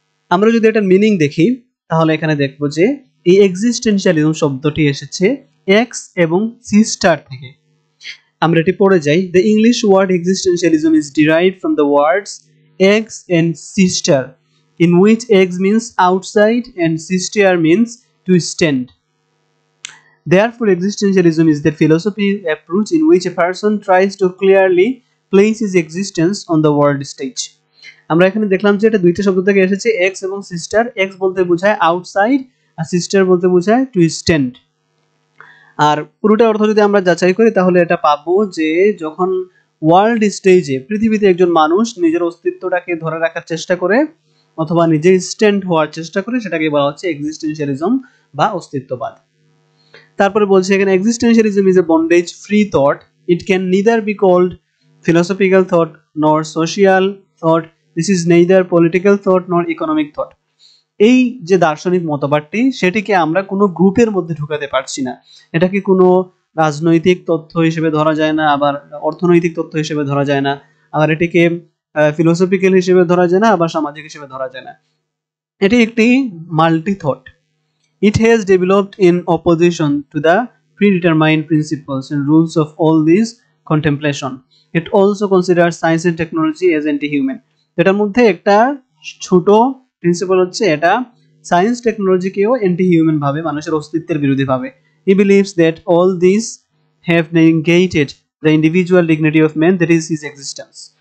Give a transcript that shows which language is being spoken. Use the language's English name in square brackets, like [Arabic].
[Bangla] আমরা যদি এটার মিনিং দেখি তাহলে এখানে দেখব যে এই এক্সিস্টেন্সিয়ালিজম শব্দটি এসেছে এক্স এবং সিস্টার থেকে। আমরা এটি পড়ে যাই, [English] The English word existentialism is derived from the words ex and sister, in which ex means outside and sister means to stand. Therefore, existentialism is the philosophy approach in which a person tries to clearly place his existence on the world stage. [Bangla] আমরা এখানে দেখলাম যে এটা দুইটা শব্দ থেকে এসেছে, x এবং সিস্টার। এক্স বলতে বোঝায় আউটসাইড আর সিস্টার বলতে বোঝায় টু স্ট্যান্ড। আর পুরোটা অর্থ যদি আমরা যাচাই করি তাহলে এটা পাবো যে যখন ওয়ার্ল্ড স্টেজে পৃথিবীতে একজন মানুষ নিজের অস্তিত্বটাকে ধরে রাখার চেষ্টা করে অথবা নিজে স্ট্যান্ড হওয়ার চেষ্টা করে সেটাকে বলা হচ্ছে এক্সিস্টেন্সিয়ালিজম বা অস্তিত্ববাদ। তারপরে বলছে এখানে, [English] Existentialism is a bondage free thought, it can neither be called philosophical thought nor social thought, this is neither political thought nor economic thought. [Bangla] এই যে দার্শনিক মতবাদটি সেটিকে আমরা কোনো গ্রুপের মধ্যে ঢুকাতে পারছি না, এটাকে কোনো রাজনৈতিক তথ্য হিসেবে ধরা যায় না, আবার অর্থনৈতিক তথ্য হিসেবে ধরা যায় না, আবার এটিকে ফিলোসফিক্যাল হিসেবে ধরা যায় না, আবার সামাজিক হিসেবে ধরা যায় না। এটি একটি multi thought. [English] It has developed in opposition to the predetermined principles and rules of all these contemplation. It also considers science and technology as anti-human. [Bangla] এটার মধ্যে একটা ছোট প্রিন্সিপাল হচ্ছে এটা সায়েন্স টেকনোলজিকেও অ্যান্টিহিউম্যান ভাবে, মানুষের অস্তিত্বের বিরোধী ভাবে। [English] He believes that all this have negated the individual dignity of man, that is his existence.